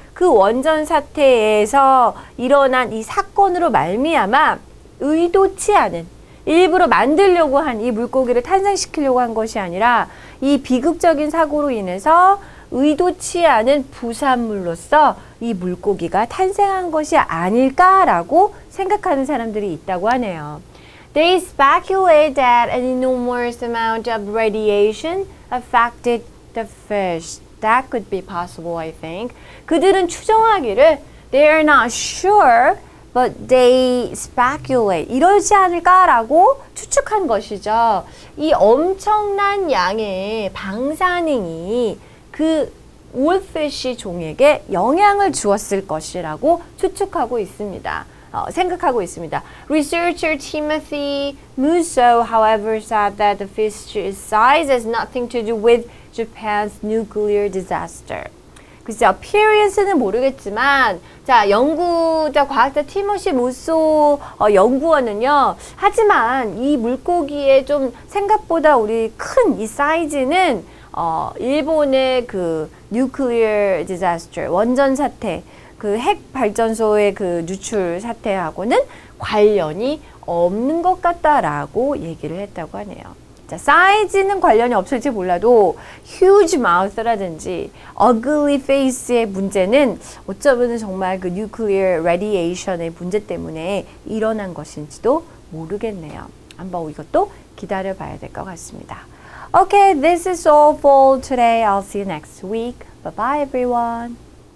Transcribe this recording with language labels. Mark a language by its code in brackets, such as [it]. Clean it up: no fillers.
[ko] 그 원전 사태에서 일어난 이 사건으로 말미암아 의도치 않은, 일부러 만들려고 한 이 물고기를 탄생시키려고 한 것이 아니라 이 비극적인 사고로 인해서 의도치 않은 부산물로서 이 물고기가 탄생한 것이 아닐까라고 생각하는 사람들이 있다고 하네요. [en] They speculate that an enormous amount of radiation affected the fish. That could be possible, I think. [ko] 그들은 추정하기를 [en] they are not sure, But they speculate. [ko] 이러지 않을까라고 추측한 것이죠. 이 엄청난 양의 방사능이 그 wolfish 종에게 영향을 주었을 것이라고 추측하고 있습니다. 생각하고 있습니다. [en] Researcher Timothy Musso, however, said that the fish's size has nothing to do with Japan's nuclear disaster. [ko] 글쎄요, appearance는 모르겠지만, 자, 연구자, 과학자 티머시 무소 연구원은요, 하지만 이 물고기의 좀 생각보다 우리 큰 이 사이즈는 일본의 그 nuclear disaster, 원전 사태, 그 핵 발전소의 그 누출 사태하고는 관련이 없는 것 같다라고 얘기를 했다고 하네요. 자, 사이즈는 관련이 없을지 몰라도 huge mouth라든지 ugly face의 문제는 어쩌면 정말 그 nuclear radiation의 문제 때문에 일어난 것인지도 모르겠네요. 한번 이것도 기다려봐야 될 것 같습니다. [en] Okay, this is all for today. I'll see you next week. Bye-bye, everyone.